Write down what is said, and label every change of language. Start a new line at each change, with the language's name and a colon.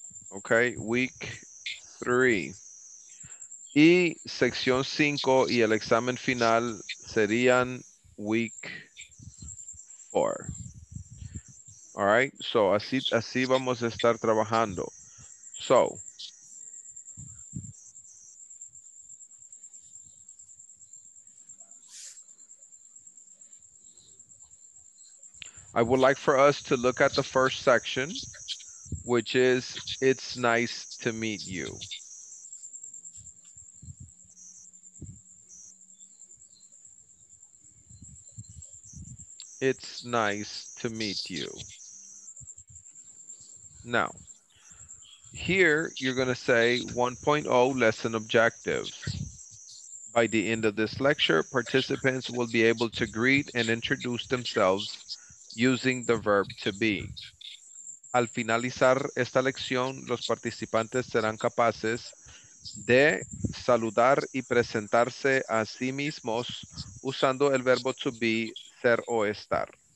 English: Ok, week 3.
Spanish: Y sección 5 y el examen final serían week 4.
English: All right, so
Spanish: así vamos a estar trabajando.
English: So, I would like for us to look at the first section, which is, it's nice to meet you. It's nice to meet you. Now, here you're going to say 1.0 lesson objectives. By the end of this lecture, participants will be able to greet and introduce themselves using the verb to be.
Spanish: Al finalizar esta lección, los participantes serán capaces de saludar y presentarse a sí mismos usando el verbo to be, ser o estar.